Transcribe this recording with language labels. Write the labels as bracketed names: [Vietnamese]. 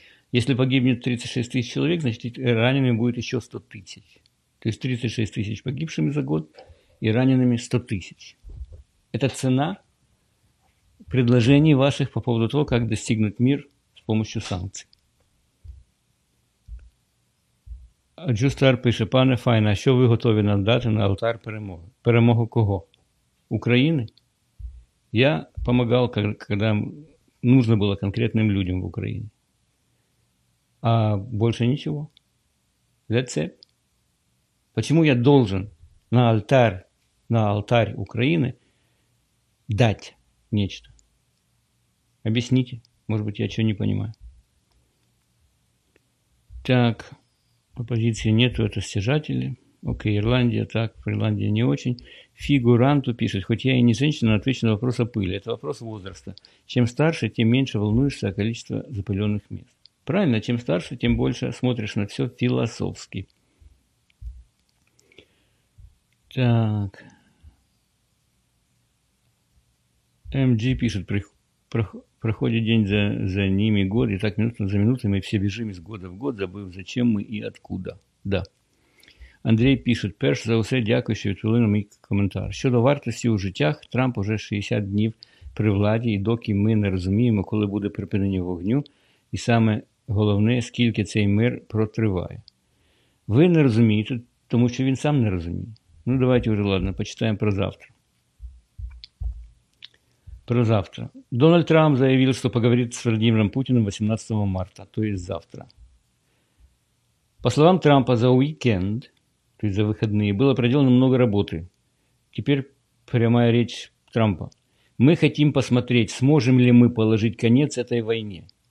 [Russian] Если погибнет 36 тысяч человек, значит, ранеными будет еще 100 тысяч. То есть 36 тысяч погибшими за год и ранеными 100 тысяч. Это цена предложений ваших по поводу того, как достигнуть мир с помощью санкций. [Ukrainian] Джустар пише: пане Файна, а що ви готові нам дати на алтар перемоги? Перемогу кого? України? [Russian] Я помогал, когда нужно было конкретным людям в Украине. А больше ничего. [English] That's it. [Russian] Почему я должен на алтарь Украины дать нечто? Объясните, может быть, я чего не понимаю. Так, оппозиции нету, это стяжатели. Окей, Ирландия, так, Ирландия не очень. Фигуранту пишет: хоть я и не женщина, но отвечу на вопрос о пыли. Это вопрос возраста. Чем старше, тем меньше волнуешься о количестве запыленных мест. Правильно, чем старше, тем больше смотришь на все философски. Так. МГ пишет: проходит день за ними, год, и так минута за минутой мы все бежим из года в год, забыв, зачем мы и откуда. Да. [Ukrainian] Андрей пишет: перш за усе, дякую, що відповіли мій коментар. Щодо вартості у життях, Трамп уже 60 днів при владі, і доки ми не розуміємо, коли буде припинення вогню, і саме головне, скільки цей мир протриває. Ви не розумієте, тому що він сам не розуміє. Ну, давайте вже, ладно, почитаємо про завтра. Про завтра. [Russian] Дональд Трамп заявил, что поговорит с Владимиром Путиным 18 марта, то есть завтра. По словам Трампа, за уикенд, то есть за выходные, было проделано много работы. Теперь прямая речь Трампа. Мы хотим посмотреть, сможем ли мы положить конец этой войне.